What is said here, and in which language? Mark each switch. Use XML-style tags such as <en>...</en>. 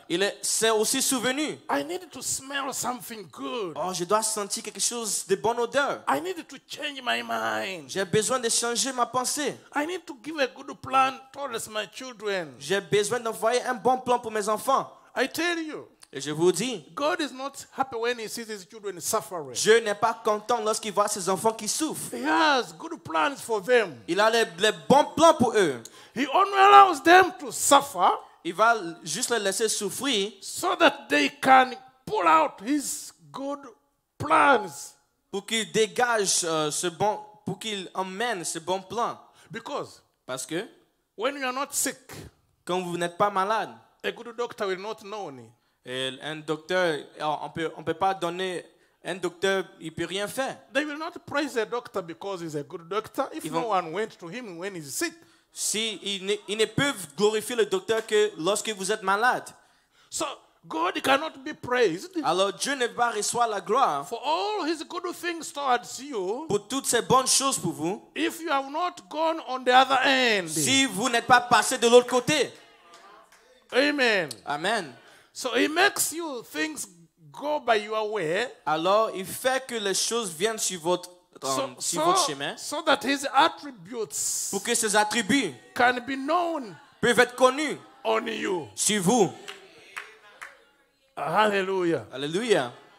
<fr>Il s'est aussi souvenu.</fr> <en>I need to smell something good.</en> <fr>Oh, je dois sentir quelque chose de bonne odeur.</fr> <en>I need to change my mind.</en> <fr>J'ai besoin de changer ma pensée.</fr> <en>I need to give a good plan towards my children.</en> <fr>J'ai besoin d'envoyer un bon plan pour mes enfants.</fr> <en>I tell you.</en> <fr>Et je vous dis,</fr> <en>God is not happy when he sees his children suffering.</en> <fr>Dieu n'est pas content lorsqu'il voit ses enfants qui souffrent.</fr> <en>He has good plans for them.</en> <fr>Il a les bons plans pour eux.</fr> <en>He only allows them to suffer.</en> <fr>Il va juste les laisser souffrir.</fr> <en>So that they can pull out his good plans.</en> <fr>Pour qu'il dégage ce bon, pour qu'il emmène ce bon plan.</fr> <en>Because.</en> <fr>Parce que.</fr> <en>When you are not sick.</en> <fr>Quand vous n'êtes pas malade.</fr> <en>A good doctor will not know any.</en> <fr>Et un docteur, on peut pas donner un docteur, il peut rien faire.</fr> <en>They will not praise a doctor because he's a good doctor if no one went to him when he's sick.</en> <fr>Si ils ne peuvent glorifier le docteur que lorsque vous êtes malade.</fr> <en>So God cannot be praised.</en> <fr>Alors Dieu ne va recevoir la gloire.</fr> <en>For all his good things towards you.</en> <fr>Pour toutes ses bonnes choses pour vous.</fr> <en>If you have not gone on the other end.</en> <fr>Si vous n'êtes pas passé de l'autre côté.</fr> <en>Amen.</en> <fr>Amen.</fr> <en>So he makes you things go by your way.</en> <fr>Alors il fait que les choses viennent sur votre, votre chemin.</fr> <en>So that his attributes.</en> <fr>Pour que ses attributs.</fr> <en>Can be known.</en> <fr>Peuvent être connus.</fr> <en>On you.</en> <fr>Sur vous.</fr> <en>Hallelujah.</en> <fr>Hallelujah.</fr>